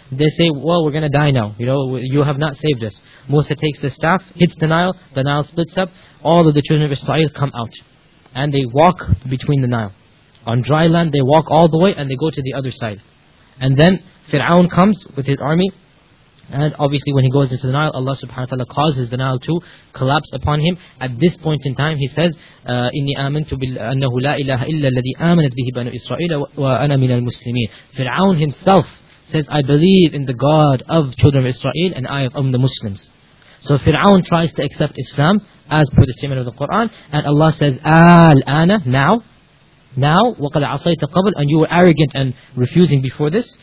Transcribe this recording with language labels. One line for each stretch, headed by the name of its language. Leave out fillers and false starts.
English: They say, well, we're going to die now. You know, you have not saved us. Musa takes the staff, hits the Nile. The Nile splits up. All of the children of Israel come out. And they walk between the Nile. On dry land, they walk all the way and they go to the other side. And then Fir'aun comes with his army. And obviously when he goes into the Nile, Allah subhanahu wa ta'ala causes the Nile to collapse upon him.
Arabic: At this point in time, he says, إِنِّي آمَنْتُ بِالْأَنَّهُ لَا إِلَهَ إِلَّا الَّذِي آمَنَتْ بِهِ بَنُوا إِسْرَائِيلَ وَأَنَا مِنَ الْمُسْلِمِينَ.
English: Fir'aun himself says, I believe in the God of children of Israel and I am the Muslims. So Fir'aun tries to accept Islam as per the statement of the Quran. And Allah says,
Arabic: آلآنَ,
English: now, now,
Arabic: وَقَدْ عَصَيْتَ قَبْلٍ,
English: and you were arrogant and refusing before this.